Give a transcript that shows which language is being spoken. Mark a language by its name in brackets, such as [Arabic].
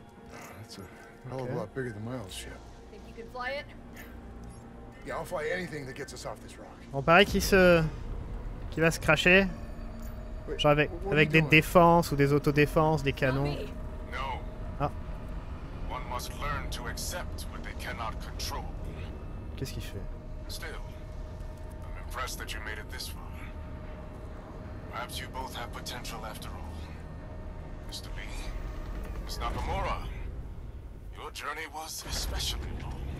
[English] That's a hell of a lot bigger than my old ship. Think you could fly it? Yeah, I'll fly anything that gets us off this rock. [French] On paraît qu'il se... qu'il va se crasher. Genre avec, avec des défenses ou des autodéfenses, des canons. Non. Ah. [English] One must learn to accept what they cannot control. [French] Qu'est-ce qu'il fait? [English] Still, I'm impressed that you made it this far. Perhaps you both have potential after all. Mr. Lee, Miss Nakamura, your journey was especially long.